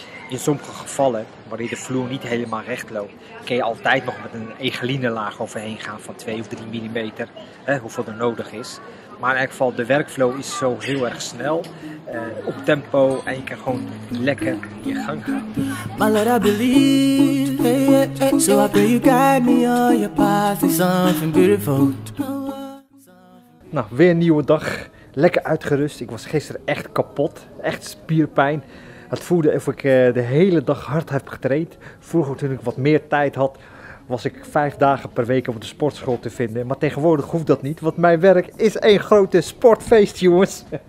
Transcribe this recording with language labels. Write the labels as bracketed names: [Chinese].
[Dutch] In sommige gevallen, wanneer de vloer niet helemaal recht loopt, kun je altijd nog met een egelinelaag overheen gaan van 2 of 3 mm, hoeveel er nodig is. Maar in elk geval, de workflow is zo heel erg snel, op tempo, en je kan gewoon lekker je gang gaan. [English] My Lord, I believe, so I pray you guide me on your path, it's something beautiful. [Dutch] Nou, weer een nieuwe dag, lekker uitgerust. Ik was gisteren echt kapot, echt spierpijn. Het voelde alsof ik de hele dag hard heb getraind. Vroeger toen ik wat meer tijd had, was ik 5 dagen per week op de sportschool te vinden. Maar tegenwoordig hoeft dat niet, want mijn werk is één grote sportfeest, jongens.